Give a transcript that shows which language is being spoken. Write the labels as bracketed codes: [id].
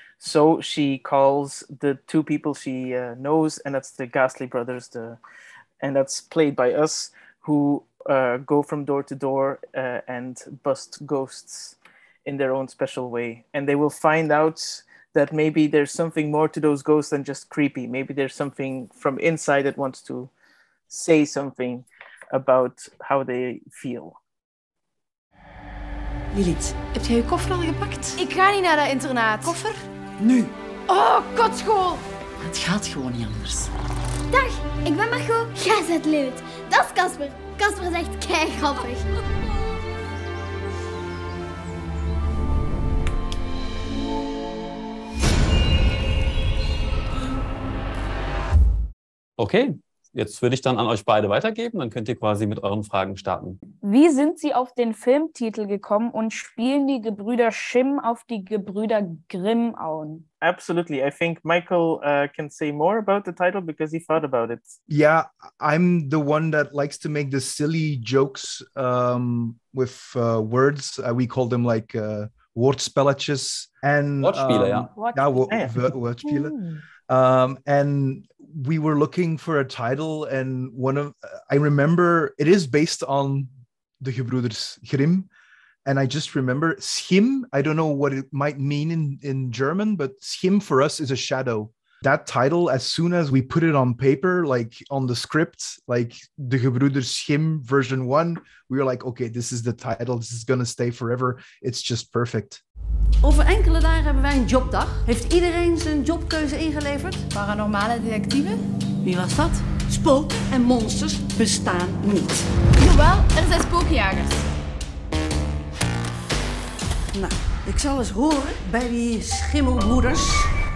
[en] So she calls the two people she knows, and that's the Ghastly Brothers, and that's played by us, who go from door to door and bust ghosts in their own special way. And they will find out that maybe there's something more to those ghosts than just creepy. Maybe there's something from inside that wants to say something about how they feel. [nl] Lilith, heb jij je koffer al gepakt? Ik ga niet naar dat internaat. Koffer? Nu. Oh, kotschool. Het gaat gewoon niet anders. Dag, ik ben Marco. Jij bent Lilith. Dat is Casper. Casper is echt keigrappig. [de] Okay, jetzt würde ich dann an euch beide weitergeben. Dann könnt ihr quasi mit euren Fragen starten. Wie sind Sie auf den Filmtitel gekommen und spielen die Gebrüder Schimm auf die Gebrüder Grimm an? [en] Absolutely. I think Michael can say more about the title because he thought about it. Yeah, I'm the one that likes to make the silly jokes with words. We call them like Wortspelletjes. [de] Wortspiele, ja. Wortspiele. [en] And we were looking for a title, and I remember it is based on the Gebrüders Grimm. And I just remember Schim, I don't know what it might mean in German, but Schim for us is a shadow. That title, as soon as we put it on paper, like on the script, like the Gebrüder Schim version 1, we were like, okay, this is the title. This is going to stay forever. It's just perfect. [nl] Over enkele dagen hebben wij een jobdag. Heeft iedereen zijn jobkeuze ingeleverd? Paranormale detectieven? Wie was dat? Spoken en monsters bestaan niet. Jawel, er zijn spookjagers. Nou, ik zal eens horen bij die schimmelbroeders.